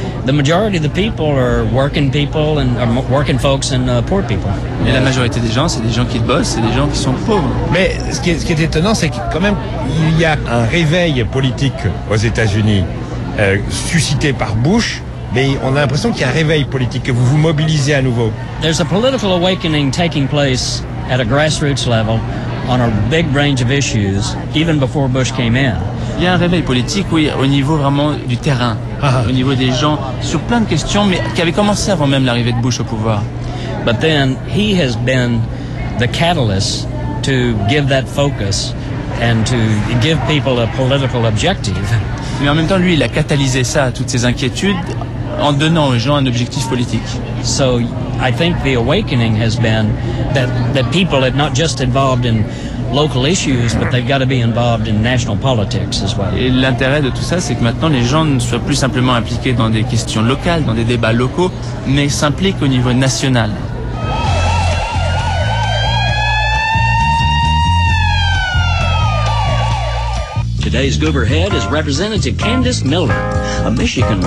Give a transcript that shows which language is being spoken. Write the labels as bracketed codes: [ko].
[en] The majority of the people are working people and are working folks and poor people. [fr] Mais la majorité des gens, c'est des gens qui bossent, c'est des gens qui sont pauvres. Mais ce qui est étonnant, c'est que quand même il y a un réveil politique aux États-Unis suscité par Bush. Mais on a l'impression qu'il y a un réveil politique, que vous vous mobilisez à nouveau. [en] There's a political awakening taking place at a grassroots level on a big range of issues, even before Bush came in. [fr] Il y a un réveil politique, oui, au niveau vraiment du terrain, au niveau des gens, sur plein de questions, mais qui avait commencé avant même l'arrivée de Bush au pouvoir. [en] But then, he has been the catalyst to give that focus and to give people a political objective. [fr] Mais en même temps, lui, il a catalysé ça, toutes ces inquiétudes, en donnant aux gens un objectif politique. [en] So, I think the awakening has been that people have not just involved in local issues, but they've got to be involved in national politics as well. [fr] Et l'intérêt de tout ça, c'est que maintenant les gens ne soient plus simplement impliqués dans des questions locales, dans des débats locaux, mais s'impliquent au niveau national. [en] Today's Goober Head is Representative Candace Miller, a Michigan.